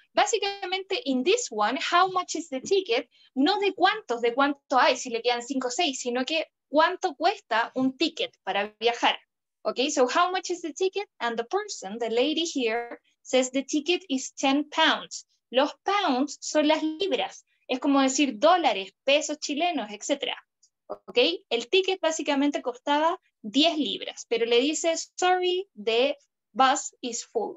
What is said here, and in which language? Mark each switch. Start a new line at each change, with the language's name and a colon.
English: Básicamente, in this one, how much is the ticket?
Spanish: No de cuántos, de cuánto hay, si le quedan 5 o 6, sino que cuánto cuesta un ticket para viajar.
English: Okay, so how much is the ticket? And the person, the lady here, says the ticket is 10 pounds.
Spanish: Los pounds son las libras. Es como decir dólares, pesos chilenos, etc. Okay, el ticket básicamente costaba 10 libras. Pero le dice,
English: sorry, the bus is full.